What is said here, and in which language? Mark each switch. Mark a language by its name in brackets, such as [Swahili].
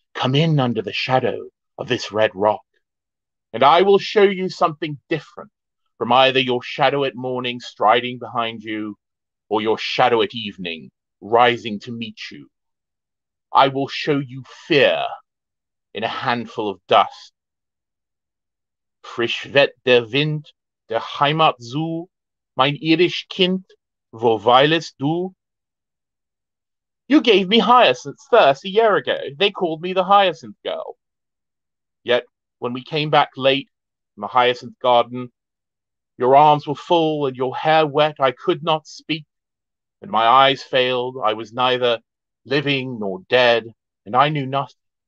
[English] Come in under the shadow of this red rock, and I will show you something different from either your shadow at morning striding behind you, or your shadow at evening rising to meet you. I will show you fear in a handful of dust. [German] Frisch wird der Wind der Heimat zu, mein irisch Kind, wo weilest du? [English] You gave me hyacinths first a year ago. They called me the hyacinth girl. Yet, when we came back late in the hyacinth garden. Your arms were full and your hair wet. I could not speak, and my eyes failed. I was neither living nor dead, and I knew nothing.